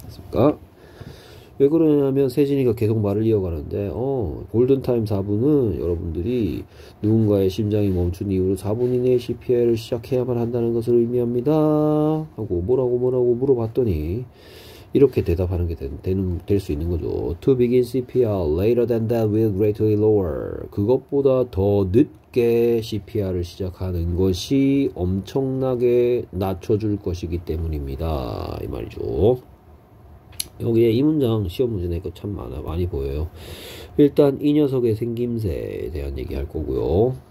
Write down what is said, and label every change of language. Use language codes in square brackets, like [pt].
[ko] 그러니까 왜 그러냐면 세진이가 계속 말을 이어가는데, 골든타임 4분은 여러분들이 누군가의 심장이 멈춘 이후로 4분 이내에 CPR을 시작해야만 한다는 것을 의미합니다. 하고 뭐라고 물어봤더니 이렇게 대답하는 게 될수 있는 거죠. [en] To begin CPR later than that will greatly lower. [ko] 그것보다 더 늦게 CPR을 시작하는 것이 엄청나게 낮춰줄 것이기 때문입니다. 이 말이죠. 여기에 이 문장 시험 문제 낼거참 많이 보여요. 일단 이 녀석의 생김새에 대한 얘기할 거고요.